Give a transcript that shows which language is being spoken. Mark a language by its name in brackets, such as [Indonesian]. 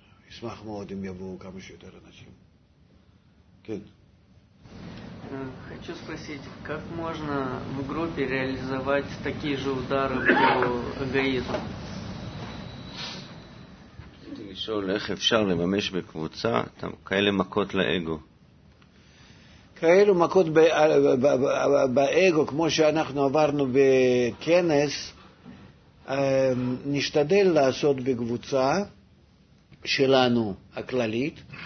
[Hebrew] אשמח מאוד אם יבואו כמה שיותר אנשים. כן. [Russian] Хочу спросить, как можно в группе реализовать такие же удары по эгоизму? Хочу [Hebrew] לשאול, איך אפשר לממש בקבוצה כאלה מכות לאגו? כאלה מכות באגו, כמו שאנחנו עברנו בכנס, נשתדל לעשות בקבוצה שלנו הכללית.